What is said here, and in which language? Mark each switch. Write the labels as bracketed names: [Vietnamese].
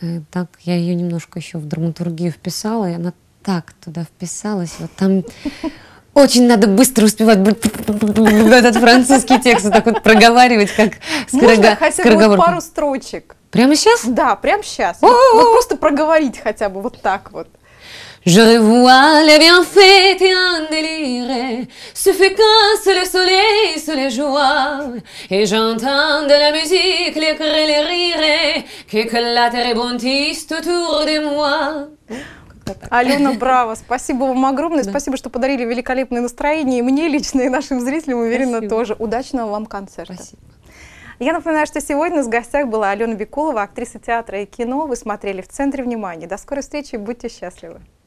[Russian] Так, я ее немножко еще в драматургию вписала, и она так туда вписалась, вот там очень надо быстро успевать этот французский текст вот так вот проговаривать, как скороговорку. Можно хотя бы пару строчек? Прямо сейчас? Да, прямо сейчас. Вот просто проговорить хотя бы вот так вот. [French] Je vois les bienfaits et un délire se fait sous le soleil, sous les joies. Et j'entends de la musique, les cris, les rires, qui éclatent et bondissent autour de moi. [Russian] Алена, браво! Спасибо вам огромное. Да. Спасибо, что подарили великолепное настроение. И мне лично, и нашим зрителям, уверена, спасибо, тоже. Удачного вам концерта. Спасибо. Я напоминаю, что сегодня в гостях была Алена Бекулова, актриса театра и кино. Вы смотрели «В центре внимания». До скорой встречи. Будьте счастливы.